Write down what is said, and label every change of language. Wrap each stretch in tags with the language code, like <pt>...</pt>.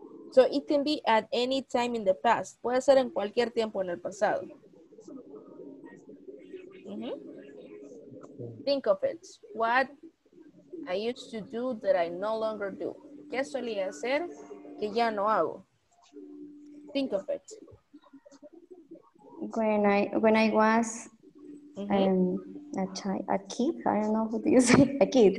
<en>So it can be at any time in the past.</en> <es>Puede ser en cualquier tiempo en el pasado.</es> <en>Mm-hmm. Think of it. What I used to do that I no longer do.</en> <es>¿Qué solía hacer que ya no hago?</es> <en>Think of it. When I was a kid, I don't know what you say, a kid.</en>